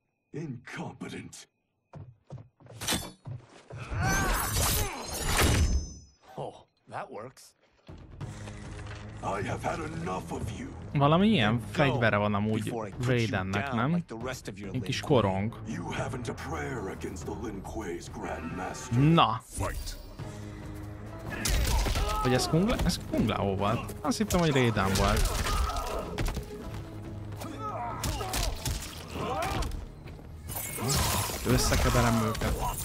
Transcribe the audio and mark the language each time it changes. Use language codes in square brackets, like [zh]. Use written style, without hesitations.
[en] Incompetent. Oh, that works. I have had enough of you. [hu] Valami ilyen fegyvere van amúgy Raidennek, nem? Egy kis korong. [en] You haven't a prayer against the Lin Kuei's grandmaster. [hu] Na. Fight. Hogy ez Kung Lao? Ez Kung Lao volt. Azt hittem, hogy Raiden volt. Összekeverem őket.